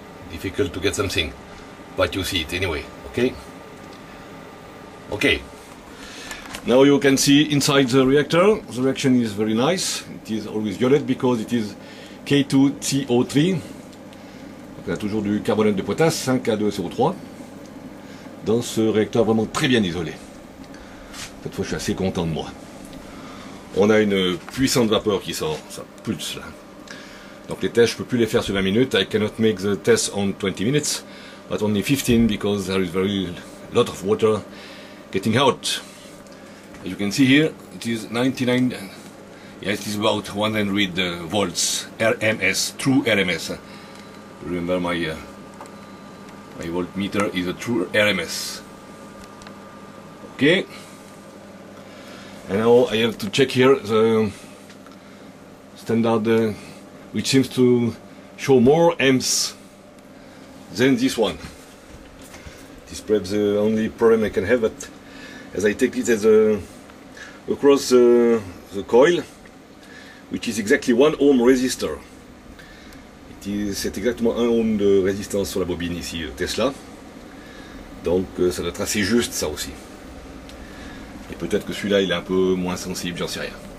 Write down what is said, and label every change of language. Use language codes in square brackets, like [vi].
[en] Difficult to get something, but you see it anyway. Okay, now you can see inside the reactor. The reaction is very nice. It is always violet because it is K2CO3. [fr] Donc, on a toujours du carbonate de potasse, 5K2SO3, dans ce réacteur vraiment très bien isolé. Cette fois, je suis assez content de moi. On a une puissante vapeur qui sort, ça pulse là. Donc les tests, je ne peux plus les faire sur 20 minutes. [en] I cannot make the test on 20 minutes, but only 15 because there is very lot of water getting out. As you can see here, it is 99, yeah, it is about 100 volts, RMS, true RMS. Remember my voltmeter is a true RMS. Okay. And now I have to check here the standard, which seems to show more amps than this one. This is perhaps the only problem I can have, but as I take it as across the coil, which is exactly 1 ohm resistor. It is, [fr] c'est exactement 1 ohm de résistance sur la bobine ici, Tesla. Donc ça doit être assez juste ça aussi. Et peut-être que celui-là il est un peu moins sensible, j'en sais rien.